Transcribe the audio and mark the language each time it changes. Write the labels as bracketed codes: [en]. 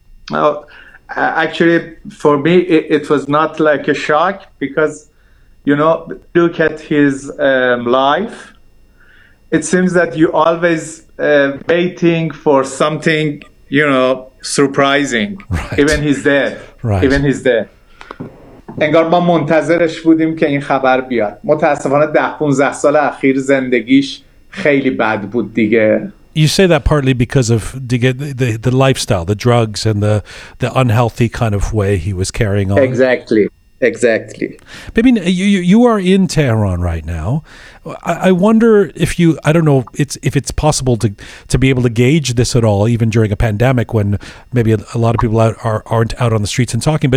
[en] Well, actually, for me, it was not like a shock because, you know, look at his life. It seems that you always waiting for something, you know, surprising, right. Even he's dead. Right. Even he's there. [fa] انگار ما منتظرش بودیم که این خبر بیاد. متاسفانه 10-15 سال اخیر زندگیش خیلی بد بود دیگه. [en] You say that partly because of the lifestyle, the drugs and the unhealthy kind of way he was carrying on. Exactly. Exactly. Maybe you are in Tehran right now. I wonder if you, I don't know if it's possible to be able to gauge this at all, even during a pandemic when maybe a lot of people aren't out on the streets and talking.